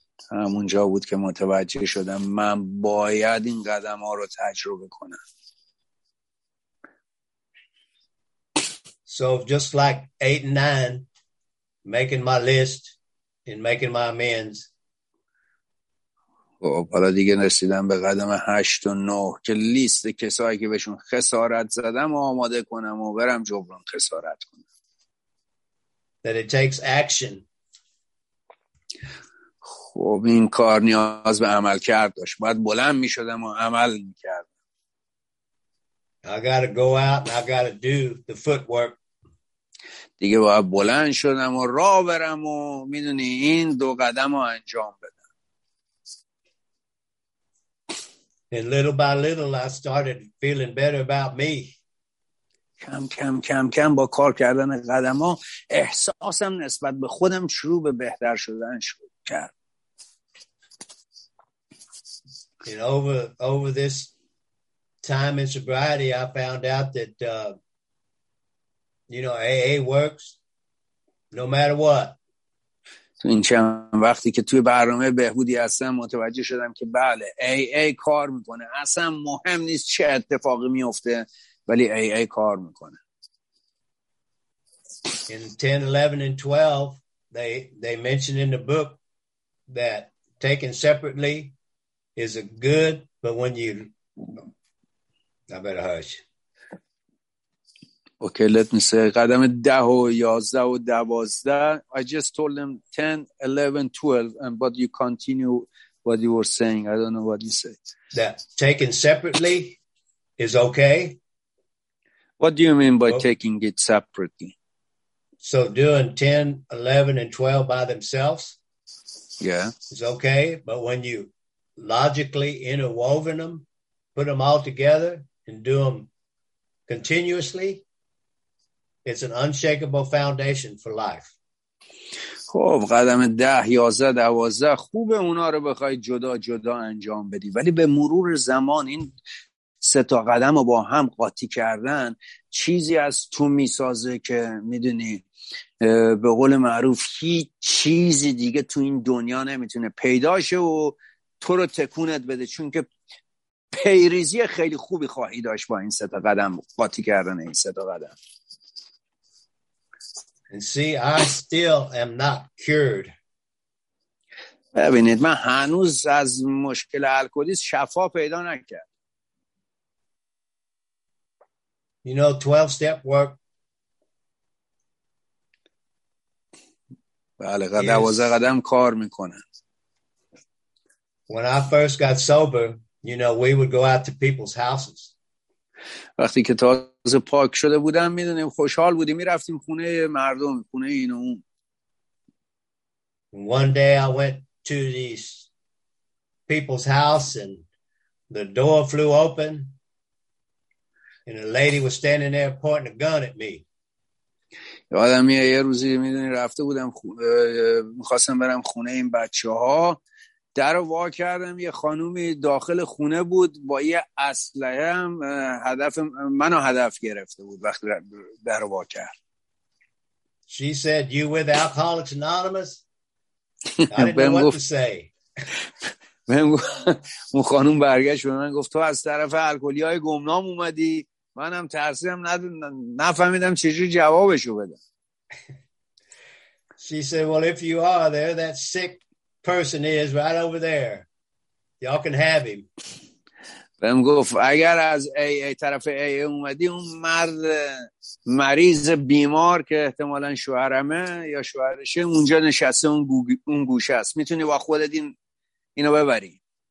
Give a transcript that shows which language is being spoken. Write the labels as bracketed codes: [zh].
[fa] همونجا بود که متوجه شدم من باید این قدم ها رو تجربه کنم. [en] So just like 8 and 9, making my list and making my amends. [fa] حالا دیگه رسیدم به قدم 8 و 9 که لیست کسایی که بهشون خسارت زدم و آماده کنم و برم جبران خسارت کنم. [en] That it takes action. [fa] خب این کار نیاز به عمل کرد داشت. باید بلند می شدم و عمل می کردم. [en] I gotta go out and I gotta do the footwork. [fa] دیگه باید بلند شدم و راه برم و میدونی این دو قدم رو انجام بدم. [en] And little by little I started feeling better about me. [fa] کم کم با کار کردن قدم ها احساسم نسبت به خودم شروع به بهتر شدن شروع کرد. [en] And over this time in sobriety, I found out that AA works no matter what. [fa] تو این چند وقتی که توی برنامه بهبودی هستم متوجه شدم که بله AA کار میکنه، اصلا مهم نیست چه اتفاقی میفته ولی AA کار میکنه. [en] In 10, 11, and 12, they mention in the book that taken separately is a good, but when you... I better hush. Okay, let me say, [fa] قدم 10 و 11 و 12, [en] I just told them 10, 11, 12, and but you continue what you were saying. I don't know what you said. That taken separately is okay? What do you mean by taking it separately? So doing 10, 11, and 12 by themselves, yeah, is okay. But when you logically interwoven them, put them all together and do them continuously, it's an unshakable foundation for life. [fa] خب قدم 10, 11, 12 خوبه اونا رو بخوای جدا جدا انجام بدی، ولی به مرور زمان این سه تا قدم رو با هم قاطی کردن چیزی از تو میسازه که میدونی به قول معروف هیچ چیزی دیگه تو این دنیا نمیتونه پیداشه و تو رو تکونت بده، چون که پیریزی خیلی خوبی خواهی داشت با این سه تا قدم قاطی کردن این سه تا قدم. [en] And see, I still am not cured. [fa] ببینید من هنوز از مشکل الکلی شفا پیدا نکردم. [en] You know, 12-step work. [fa] بله، دوازده قدم کار میکنه. [en] When I first got sober, you know, we would go out to people's houses. [fa] وقتی که تازه پاک شده بودم میدونیم خوشحال بودیم میرفتیم خونه مردم، خونه این و اون. [en] One day I went to these people's house and the door flew open. And a lady was standing there pointing a gun at me. [fa] یادم میاد یه روزی میدونی رفته بودم میخواستم برم خونه این بچه ها، در رو وا کردم یه خانومی داخل خونه بود با یه اسلحه هم هدف منو هدف گرفته بود وقتی در رو وا کرد. [en] She said, "You with Alcoholics Anonymous?" I didn't know what to say. [fa] اون خانوم برگشت به من گفت تو از طرف الکلی های گمنام اومدی، منم ترسیدم نفهمیدم چجور جوابشو بدم. [en] She said, "Well, if you are there, that sick person is right over there. Y'all can have him." [fa] بهم گفت اگر از طرف اومدی اون مرد مریض بیمار که احتمالا شوهرمه یا شوهرشه اونجا نشسته، اون گوشه است، میتونی با خودت اینو ببری.